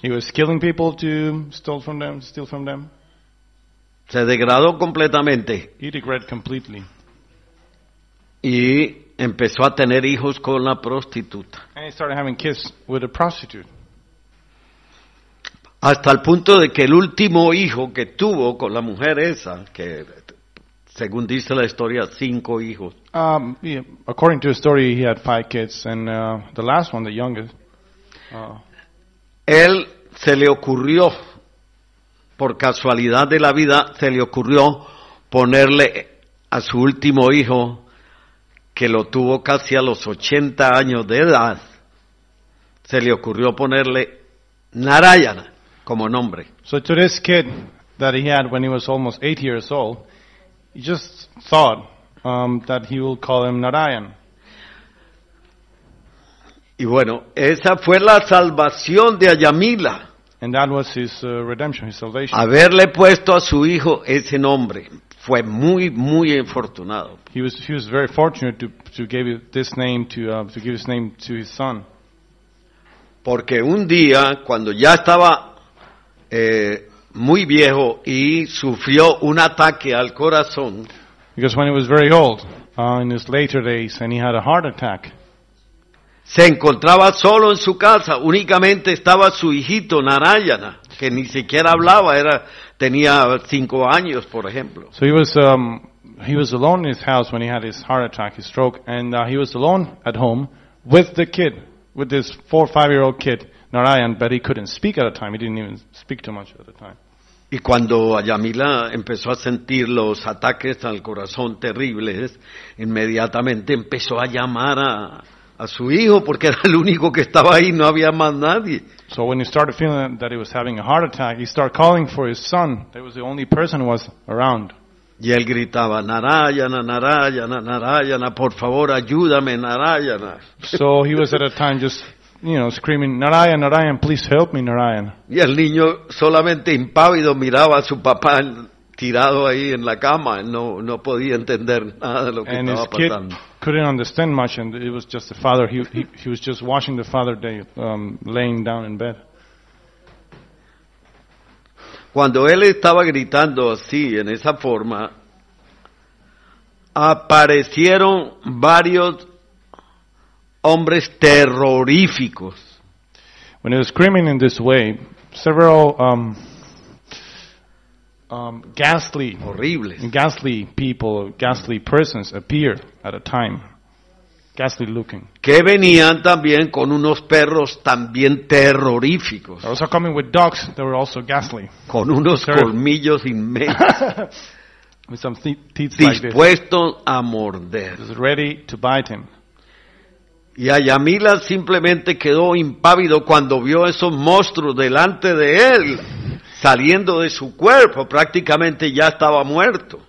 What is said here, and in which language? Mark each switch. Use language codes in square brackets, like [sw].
[en] He was killing people to steal from them. [es] Se degradó completamente. [en] He degraded completely. [es] Y empezó a tener hijos con la prostituta. [en] And he started having kids with a prostitute. [es] Hasta el punto de que el último hijo que tuvo con la mujer esa, que según dice la historia, 5 hijos. [en] According to the story, he had 5 kids, and the last one, the youngest. [es] Él se le ocurrió, por casualidad de la vida, se le ocurrió ponerle a su último hijo, que lo tuvo casi a los 80 años de edad, se le ocurrió ponerle Narayana como nombre. [en] So to this kid that he had when he was almost 8 years old, he just thought that he will call him Narayan. [es] Y bueno, esa fue la salvación de Ayamila. [en] And that was his redemption, his salvation. [es] Haberle puesto a su hijo ese nombre fue muy, muy afortunado. [en] He was very fortunate to give his name to his son. [es] Porque un día, cuando ya estaba muy viejo y sufrió un ataque al corazón. [en] Because when he was very old, in his later days, and he had a heart attack. [es] Se encontraba solo en su casa, únicamente estaba su hijito Narayana, que ni siquiera hablaba, tenía 5 años, por ejemplo. [en] So he was alone in his house when he had his heart attack, his stroke, and he was alone at home with the kid, with this 4 or 5-year-old kid. Narayan, but he couldn't speak at the time. He didn't even speak too much at the time. [es] Y cuando Ayamila empezó a sentir los ataques al corazón terribles, inmediatamente empezó a llamar a su hijo porque era el único que estaba ahí, no había más nadie. [en] So when he started feeling that he was having a heart attack, he started calling for his son. That was the only person who was around. [es] Y él gritaba, Narayana, Narayana, Narayana, por favor, ayúdame, Narayana. [en] So he was at a time just, you know, screaming, Narayan, Narayan, please help me, Narayan. [es] Y el niño solamente impávido miraba a su papá tirado ahí en la cama. No podía entender nada de lo que [en] and [es] estaba pasando. [en] And his kid couldn't understand much, and it was just the father. He was just watching the father laying down in bed. [es] Cuando él estaba gritando así, en esa forma, aparecieron varios hombres terroríficos. [en] When he was screaming in this way, several ghastly, [es] horribles, [en] ghastly people, ghastly persons appeared at a time, ghastly looking. [es] Que venían también con unos perros también terroríficos. [en] Also coming with dogs, they were also ghastly. [es] Con unos colmillos inmensos. [en] With some teeth [es] dispuestos [en] like this, [es] a morder. [en] Was ready to bite him. [es] Y Ayamila simplemente quedó impávido cuando vio esos monstruos delante de él, saliendo de su cuerpo, prácticamente ya estaba muerto.